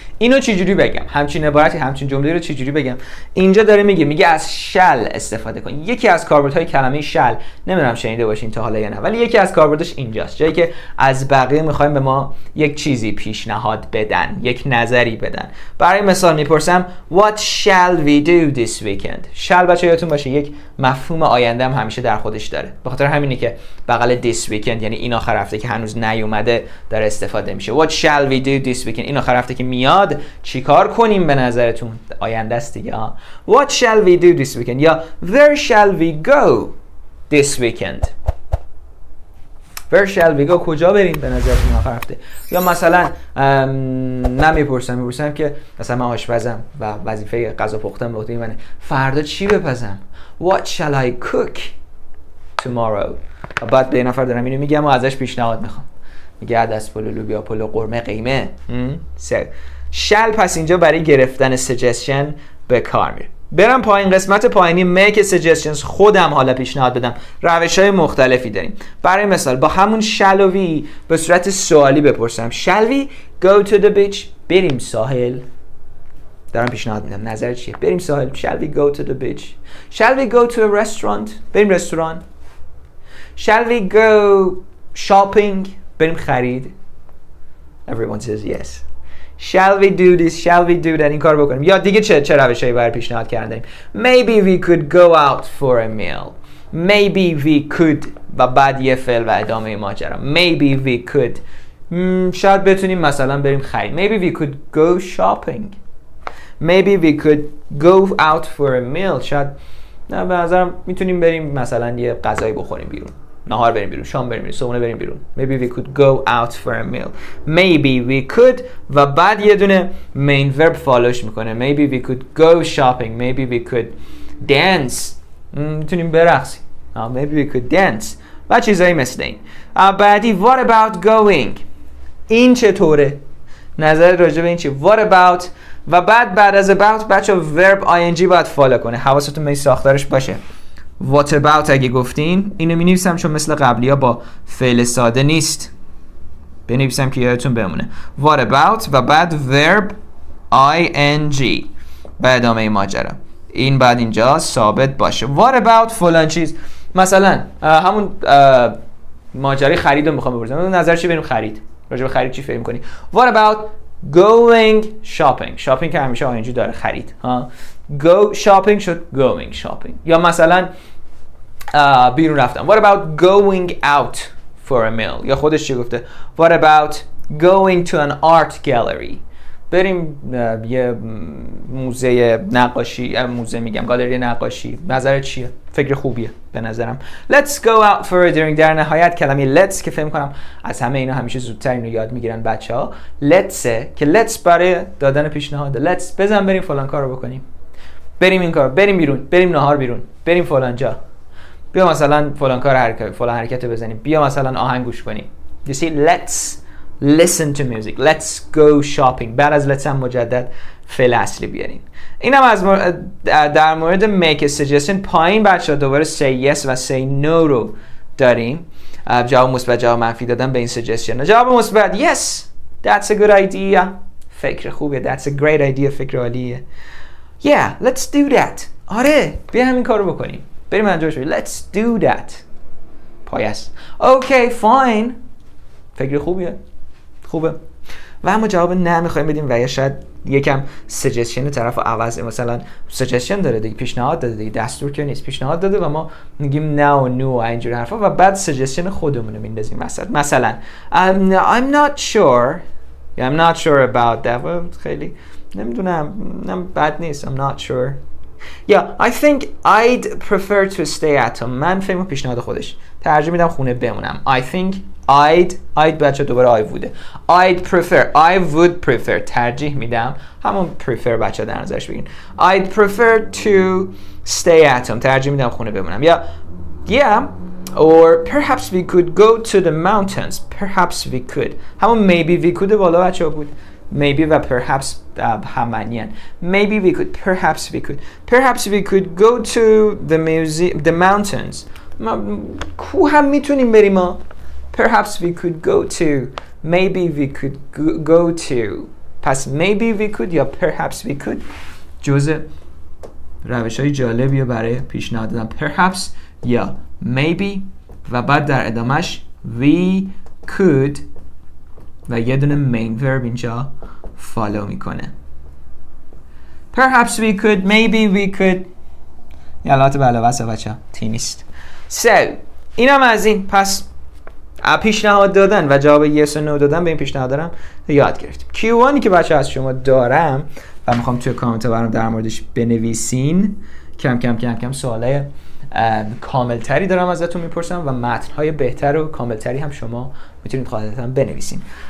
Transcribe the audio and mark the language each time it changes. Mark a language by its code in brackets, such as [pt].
[fa] اینو چجوری بگم؟ همچین عبارتی، همچین جمله رو چجوری بگم؟ اینجا داره میگه از shall استفاده کن. یکی از کاربردهای کلمه shall، نمیدونم شنیده باشین تا حالا یا نه، ولی یکی از کاربردش اینجاست، جایی که از بقیه میخوایم به ما یک چیزی پیشنهاد بدن، یک نظری بدن. برای مثال میپرسم [en] what shall we do this weekend. [fa] shall بچه یادتون باشه یک مفهوم آینده هم همیشه در خودش داره، به خاطر همینه که بغل [en] this weekend [fa] یعنی این آخر هفته که هنوز نیومده داره استفاده میشه. [en] what shall we do this weekend، [fa] این آخر هفته که میاد چی کار کنیم به نظرتون؟ آینده است دیگه. [en] what shall we do this weekend یا where shall we go this weekend. where shall we go، [fa] کجا بریم به نظرتون آخر هفته؟ یا مثلا میپرسم که مثلا من آشپزم و وظیفه غذا پختن به عهده منه، فردا چی بپزم؟ [en] what shall I cook tomorrow. [fa] بعد به این نفر دارم اینو میگم و ازش پیشنهاد میخوام، میگه عدس پلو، لوبیا پلو، قرمه، قیمه. سر شل پس اینجا برای گرفتن سجستشن به کار میره. برم پایین، قسمت پایینی، [en] make suggestions، [fa] خودم حالا پیشنهاد بدم. روش های مختلفی داریم. برای مثال با همون shall we به صورت سوالی بپرسم [en] shall we go to the beach، [fa] بریم ساحل. دارم پیشنهاد میدم، نظر چیه؟ بریم ساحل. [en] shall we go to the beach. shall we go to a restaurant، [fa] بریم رستوران. [en] shall we go shopping، [fa] بریم خرید. [en] everyone says yes. shall we do this، shall we do that، [fa] این کار بکنیم. یا دیگه چه روشی برای پیشنهاد کردیم؟ [en] maybe we could go out for a meal. maybe we could [fa] و بعد یه فعل و ادامه ماجرا. [en] maybe we could، [fa] شاید بتونیم مثلا بریم خرید. [en] maybe we could go shopping. maybe we could go out for a meal. [fa] شاید نه، به نظرم میتونیم بریم مثلا یه غذایی بخوریم بیرون. نهار بریم بیرون، شام بریم بیرون، صبحونه بریم بیرون. [en] Maybe we could go out for a meal. Maybe we could. [fa] و بعد یه دونه main verb فالوش میکنه. [en] Maybe we could go shopping. Maybe we could dance. [fa] میتونیم برقصی. [en] Maybe we could dance. [fa] و چیزایی مثل این. بعدی [en] what about going. [fa] این چطوره؟ نظر راجع به این چی؟ [en] What about. [fa] و بعد بعد از about بچه verb ing باید فالو کنه. حواستون به این ساختارش باشه. [en] What about [fa] اگه گفتین اینو می نویسم چون مثل قبلی ها با فعل ساده نیست، بنویسم که یادتون بمونه. [en] What about [fa] و بعد verb ing به ادامه این ماجرا، این بعد اینجا ثابت باشه. [en] What about [fa] فلان چیز، مثلا همون ماجرای خرید رو می خواهم ببرزم. نظر چی بریم خرید؟ راجع به خرید چی فکر می کنی؟ [en] What about going shopping. [fa] shopping که همیشه ing داره، خرید ها. [en] Go shopping should going shopping. [fa] یا مثلا بیرون رفتم. [en] What about going out for a meal. [fa] یا خودش چی گفته؟ [en] What about going to an art gallery. [fa] بریم یه موزه نقاشی، موزه میگم، گالری نقاشی. نظر چیه؟ فکر خوبیه به نظرم. [en] Let's go out for a drink. [fa] در نهایت کلمه let's که فهم کنم از همه اینا همیشه زودتر اینو یاد میگیرن بچه ها. Let's که let's برای دادن پیشنهاد. Let's بزن بریم فلان کار رو بکنیم. بریم این کار، بریم بیرون، بریم نهار بیرون، بریم فلان جا، بیا مثلا فلان کار حرکت، فلان حرکت رو بزنیم، بیا مثلا آهنگ گوش کنیم. [en] You see, let's listen to music. Let's go shopping. [fa] بعد از let's هم مجدد فعل اصلی بیاریم. اینم از در مورد [en] make a suggestion. [fa] پایین بچه ها دوباره say yes و say no رو داریم. جواب مثبت، جواب منفی دادن به این suggestion. جواب مثبت [en] yes, that's a good idea. [fa] فکر خوبه. [en] That's a great idea. [fa] فکر عالیه. [en] Yeah, let's do that. [fa] آره، بیا همین کارو بکنیم. بریم انجامش بدیم. [en] Let's do that. [fa] پایس. [en] Okay, fine. [fa] فکر خوبیه. خوبه. و اما جواب نه میخوایم بدیم و یا شاید یکم سجستشن طرف عوض، مثلا سجستشن داره دیگه، پیشنهاد داده دیگه، دستور که نیست، پیشنهاد داده و ما میگیم نه و نو و اینجور حرفا و بعد سجستشن خودمونو میندازیم وسط. [en] مثلا I'm not sure. Yeah, I'm not sure about that. [fa] خیلی نمیدونم، نم بد نیست. [en] I'm not sure. Yeah, I think I'd prefer to stay at home. [fa] من فهم پیشنهاد خودش ترجیح میدم خونه بمونم. [en] I think I'd [fa] بچه دوباره [en] I would. I'd prefer. I would prefer. [fa] ترجیح میدم همون prefer بچه در نظرش بگیرین. [en] I'd prefer to stay at home. [fa] ترجیح میدم خونه بمونم. Yeah. [en] Or perhaps we could go to the mountains. Perhaps we could. [fa] همون [en] maybe we could [fa] بالا بچه بود. Maybe و perhaps هم معنیان. [en] Maybe we could. Perhaps we could. Perhaps we could go to the museum, the mountains. [fa] کوه هم میتونیم بریم. [en] Perhaps we could go to. Maybe we could go to. [fa] پس [en] maybe we could [fa] یا [en] perhaps we could [fa] جزء روش های جالبیه برای پیشنهاد دادن. Perhaps یا maybe و بعد در ادامهش [en] we could [fa] و یه دونه main verb اینجا فالو میکنه. [en] Perhaps we could, maybe we could. [fa] یالات بالا واسه بچه تی نیست. So اینم از این. پس پیشنهاد دادن و جواب yes و no دادن به این پیشنهاد دارم یاد گرفتیم. Q1ی که بچه از شما دارم و میخوام توی کامنت ها برام در موردش بنویسین. کم کم کم کم سواله کاملتری دارم ازتون میپرسم و متنهای بهتر و کاملتری هم شما میتونید خواهدت هم بنویسین.